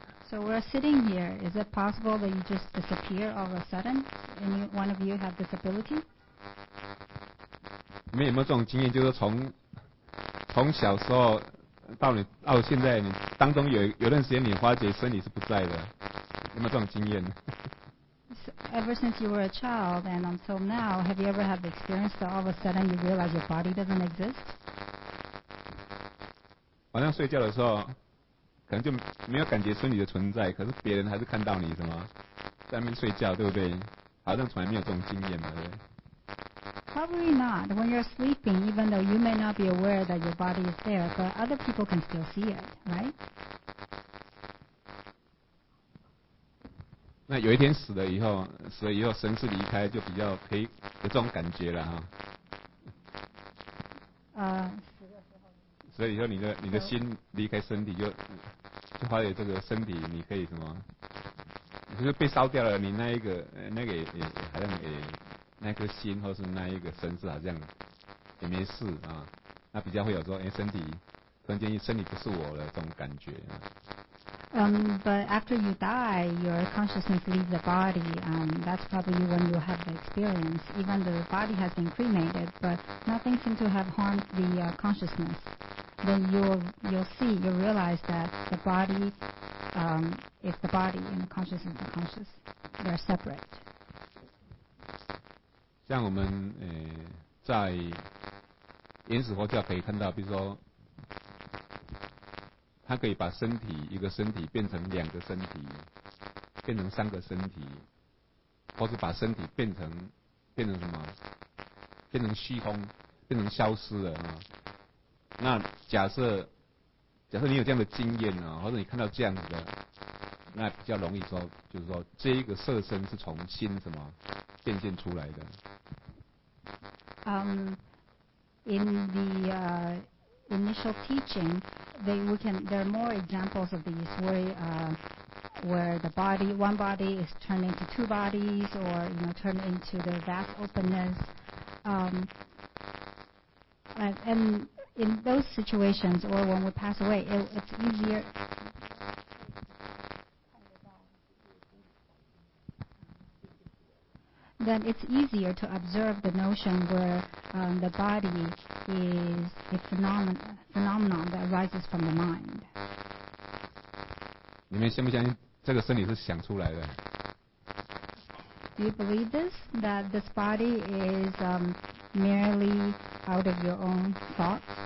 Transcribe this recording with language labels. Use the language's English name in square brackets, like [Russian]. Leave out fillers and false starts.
[English] So we're sitting here. Is it possible that you just disappear all of a sudden? Any one of you have this ability? [Chinese] 你们有没有这种经验？就是从小时候到现在，你当中有段时间你发觉身体是不在的，有没有这种经验？ [English] So, ever since you were a child and until now, have you ever had the experience that all of a sudden you realize your body doesn't exist? [Chinese] 晚上睡觉的时候。可能就没有感觉身体的存在，可是别人还是看到你什么在那边睡觉，对不对？好像从来没有这种经验嘛，对。 [English] Probably not. When you're sleeping, even though you may not be aware that your body is there, but other people can still see it, right? [Chinese] 那有一天死了以后神识离开，就比较可以有这种感觉了哈。所以说你的心离开身体就发觉这个身体你可以什么，就是被烧掉了，你那个也好像也那颗心或是那一个身子好像也没事啊，那比较会有说身体突然间身体不是我了这种感觉啊。 [English] But after you die, your consciousness leaves the body. That's probably when you have the experience. Even though the body has been cremated, but nothing seems to have harmed the consciousness. Then you'll realize that the body is the body and the consciousness is the conscious. They are separate. [Chinese] 像我们在原始佛教可以看到，比如说他可以把身体一个身体变成两个身体，变成三个身体，或是把身体变成什么，变成虚空，变成消失了啊。那假设你有这样的经验呢、啊，或者你看到这样子的，那比较容易说，就是说这一个色身是从心什么渐渐出来的。 [English] In the initial teaching, there are more examples of these where the body, one body is turned into two bodies, or you know, turned into the vast openness. And in those situations, or when we pass away, it's easier. Then it's easier to observe the notion where the body is a phenomenon that arises from the mind. [Chinese] 你们相不相信这个身体是想出来的？ [English] Do you believe this? That this body is merely out of your own thoughts?